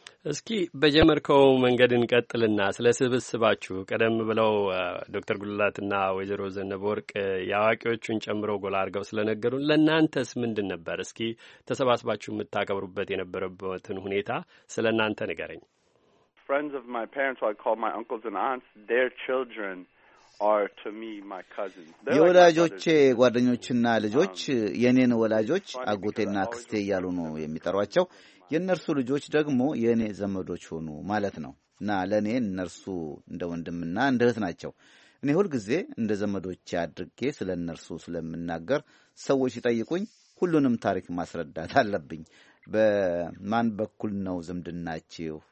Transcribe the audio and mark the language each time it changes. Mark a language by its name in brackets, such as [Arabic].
[Amharic] እስኪ በጀመርከው መንገድን ቀጥልና ስለ ስብስባችሁ ቀደም ብለው ዶክተር ጉላትና ወይዘሮ ዘነበወርቅ ያዋቂዎቹን ጨምሮ ጎላ አርገው ስለነገሩን ለእናንተስ ምንድን ነበር? እስኪ ተሰባስባችሁ የምታከብሩበት የነበረበትን ሁኔታ ስለናንተ ንገረኝ። [English] Friends of my parents, who I call my uncles and aunts, their children are to me my cousins. [Amharic] የወላጆቼ ጓደኞችና ልጆች የኔን ወላጆች አጎቴና አክስቴ ያሉ ነው የሚጠሯቸው። የነርሱ ልጆች ደግሞ የኔ ዘመዶች ሆኑ ማለት ነው። እና ለኔ እነርሱ እንደ ወንድምና እንደ እህት ናቸው። እኔ ሁልጊዜ እንደ ዘመዶች አድርጌ ስለነርሱ ስለምናገር ሰዎች ይጠይቁኝ ሁሉንም ታሪክ ማስረዳት አለብኝ። በማን በኩል ነው ዘምድናችሁ?